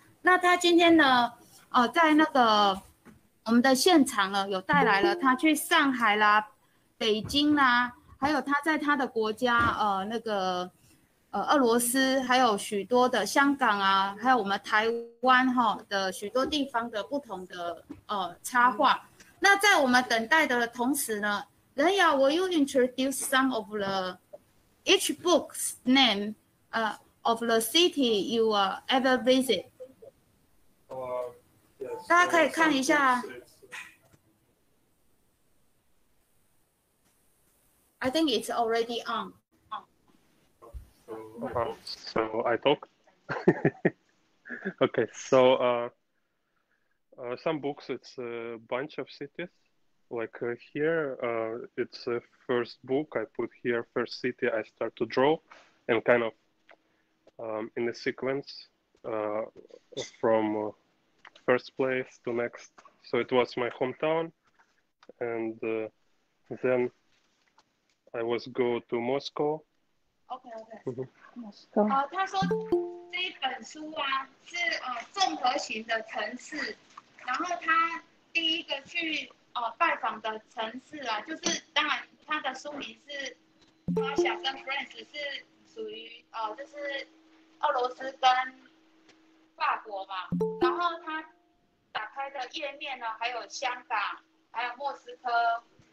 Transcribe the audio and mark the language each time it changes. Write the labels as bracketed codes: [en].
[zh] 那他今天呢，在那个我们的现场呢，有带来了他去上海啦、北京啦，还有他在他的国家俄罗斯，还有许多的香港啊，还有我们台湾哈的许多地方的不同的插画。那在我们等待的同时呢， [en] 仁亞，Will you introduce some of the each book's name, of the city you are ever visit? Yes, [zh] 大家可以看一下。 [en] I think it's already on. So I talk. Okay, so some books, it's a bunch of cities. Like here, it's the first book I put here, first city I start to draw, and kind of in a sequence from first place to next. So it was my hometown, and then I was go to Moscow. Okay, okay. [zh] 他说这一本书啊是综合型的城市，然后他第一个去拜访的城市啊，就是当然他的书名是他想跟 Friends 是属于就是俄罗斯跟法国嘛，然后他打开的页面呢还有香港，还有莫斯科。